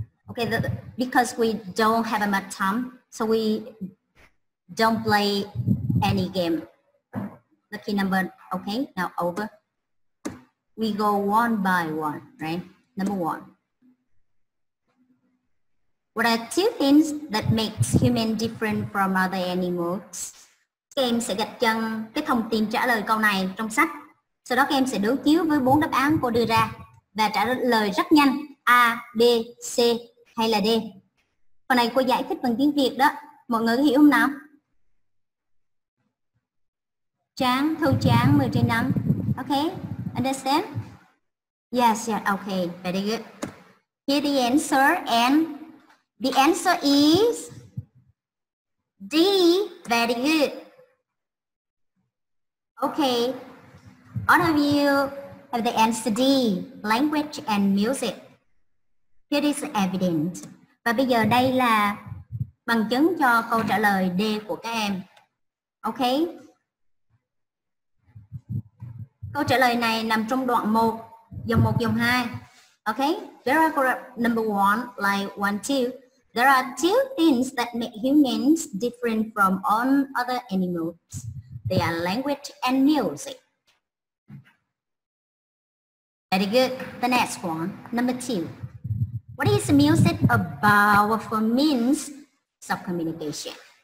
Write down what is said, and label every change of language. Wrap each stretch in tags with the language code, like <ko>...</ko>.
<en>Okay, because we don't have much time, so we don't play any game. Lucky number, okay, now over. We go one by one, right? Number one. What are two things that makes human different from other animals?</en> <vi>Các em sẽ gạch chân cái thông tin trả lời câu này trong sách. Sau đó các em sẽ đối chiếu với bốn đáp án cô đưa ra và trả lời rất nhanh A, B, C hay là D. Phần này cô giải thích bằng tiếng Việt đó. Mọi người hiểu không nào? Tráng, thâu tráng, 10 trên 5.</vi> <en>Ok, understand? Yes, yes, ok, very good. Here the answer and the answer is D, very good. Okay, all of you have the answer D, language and music. It is evident.</en> <vi>Và bây giờ đây là bằng chứng cho câu trả lời D của các em. Okay. Câu trả lời này nằm trong đoạn 1, dòng 1, dòng 2.</vi> <en>Okay, there are number 1, like 1, 2. There are two things that make humans different from all other animals. They are language and music. Very good. The next one, number two. What is music a powerful means of communication?</en>